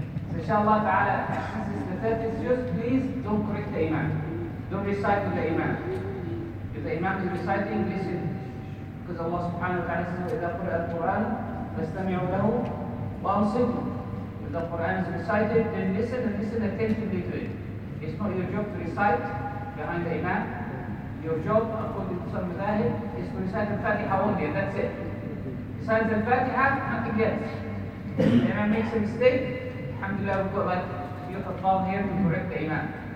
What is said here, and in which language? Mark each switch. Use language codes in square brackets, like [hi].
[en] So inshallah ta'ala, since it's the 30th juz, please don't correct the imam. Don't recite with the imam. If the imam is reciting, listen. Because [ar] Allah subhanahu wa ta'ala [en] says, [ar] وَإِذَا قُرِئَ الْقُرْآنُ فَاسْتَمِعُوا لَهُ وَأَنصِتُوا. [en] If the Quran is recited, then listen and listen attentively to it. It's not your job to recite behind the imam. Your job, according to some madhahib, is to recite the Fatiha only, and that's it. Besides the Fatiha, nothing else. If the imam makes a mistake, alhamdulillah, we've got like you have a call here to correct the imam.